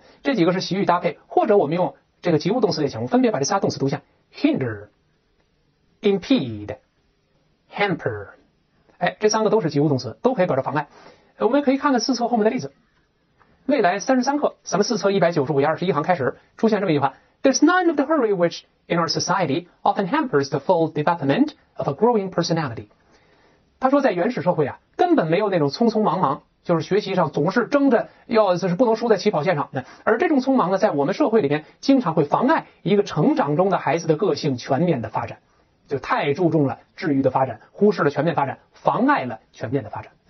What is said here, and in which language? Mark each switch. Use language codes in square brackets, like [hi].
[zh] 这几个是习语搭配，或者我们用这个及物动词也行，我分别把这仨动词读一下： hinder、 impede、 hamper。这三个都是及物动词，都可以表示妨碍。我们可以看看四册后面的例子。未来33课，咱们四册195页21行开始，出现这么一句话。 [en] There's none of the hurry which in our society often hampers the full development of a growing personality。 [zh] 他说在原始社会啊，根本没有那种匆匆忙忙，就是学习上总是争着要是不能输在起跑线上。而这种匆忙呢，在我们社会里面经常会妨碍一个成长中的孩子的个性全面的发展，就太注重了治愈的发展，忽视了全面发展，妨碍了全面的发展。